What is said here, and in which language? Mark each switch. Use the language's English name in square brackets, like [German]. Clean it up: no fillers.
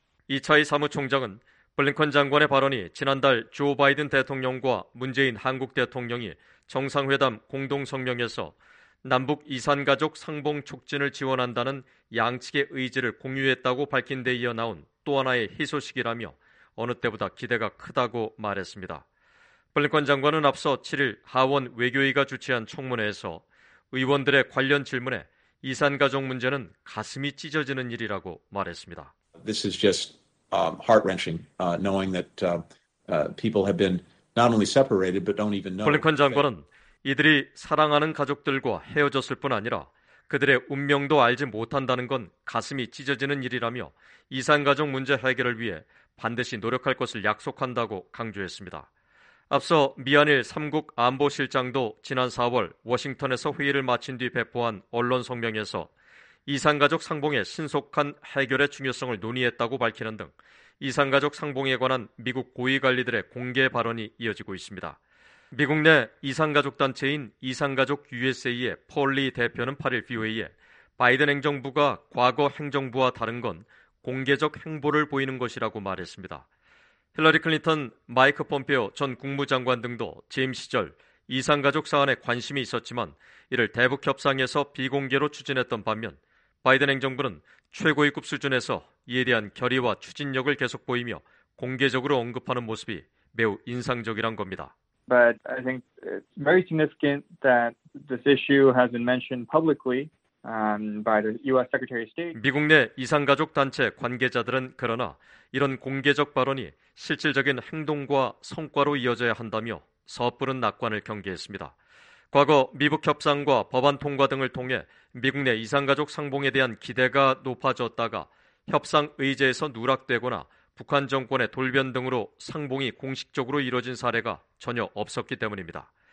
[Korean] 이차희 사무총장은 블링컨 장관의 발언이 지난달 조 바이든 대통령과 문재인 한국 대통령이 정상회담 공동성명에서 남북 이산가족 상봉 촉진을 지원한다는 양측의 의지를 공유했다고 밝힌 데 이어 나온 또 하나의 희소식이라며 어느 때보다 기대가 크다고 말했습니다. 블링컨 장관은 앞서 7일 하원 외교위가 주최한 청문회에서 의원들의 관련 질문에 이산가족 문제는 가슴이 찢어지는 일이라고 말했습니다. [English] This is just heart-wrenching knowing that people have been not only separated but don't even know. [Korean] 블링컨 장관은 이들이 사랑하는 가족들과 헤어졌을 뿐 아니라 그들의 운명도 알지 못한다는 건 가슴이 찢어지는 일이라며 이산가족 문제 해결을 위해 반드시 노력할 것을 약속한다고 강조했습니다. 앞서 미한일 3국 안보실장도 지난 4월 워싱턴에서 회의를 마친 뒤 배포한 언론 성명에서 이산가족 상봉의 신속한 해결의 중요성을 논의했다고 밝히는 등 이산가족 상봉에 관한 미국 고위 관리들의 공개 발언이 이어지고 있습니다. 미국 내 이산가족 단체인 이산가족 USA의 폴리 대표는 8일 VOA에 바이든 행정부가 과거 행정부와 다른 건 공개적 행보를 보이는 것이라고 말했습니다. 힐러리 클린턴, 마이크 폼페오 전 국무장관 등도 재임 시절 이산가족 사안에 관심이 있었지만 이를 대북 협상에서 비공개로 추진했던 반면 바이든 행정부는 최고위급 수준에서 이에 대한 결의와 추진력을 계속 보이며 공개적으로 언급하는 모습이 매우 인상적이란 겁니다. [English] But I think it's very significant that this issue has been mentioned publicly by the U.S. Secretary of State. [Korean] 미국 내 이산가족 단체 관계자들은 그러나 이런 공개적 발언이 실질적인 행동과 성과로 이어져야 한다며 섣부른 낙관을 경계했습니다. 과거 미북 협상과 법안 통과 등을 통해 미국 내 이산가족 상봉에 대한 기대가 높아졌다가 협상 의제에서 누락되거나 북한 정권의 돌변 등으로 상봉이 공식적으로 이뤄진 사례가 전혀 없었기 때문입니다.